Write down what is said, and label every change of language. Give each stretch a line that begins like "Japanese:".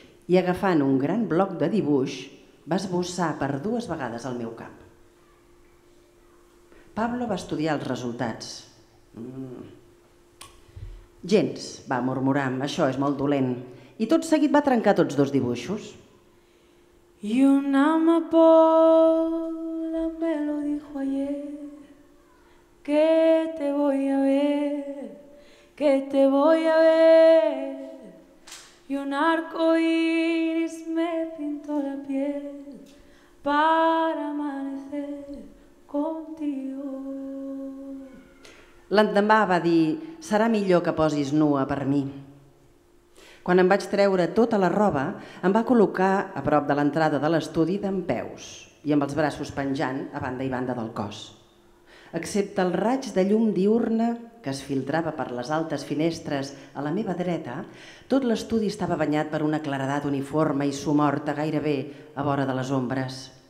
Catalan: I agafant un gran bloc de dibuix, va esbossar per dues vegades el meu cap. Pablo va estudiar els resultats. Gens, va murmurar, això és molt dolent. I tot seguit va trencar tots dos dibuixos.
Spanish: Y una amapola me lo dijo ayer, que te voy a ver, que te voy a ver. Y un arco iris me pintó la piel para amanecer contigo.
Catalan: L'endemà va dir, serà millor que posis nua per mi. Quan em vaig treure tota la roba, em va col·locar a prop de l'entrada de l'estudi dempeus i amb els braços penjant a banda i banda del cos. Excepte el raig de llum diurna que es filtrava per les altes finestres a la meva dreta, tot l'estudi estava banyat per una claredat uniforme i somorta gairebé a vora de les ombres.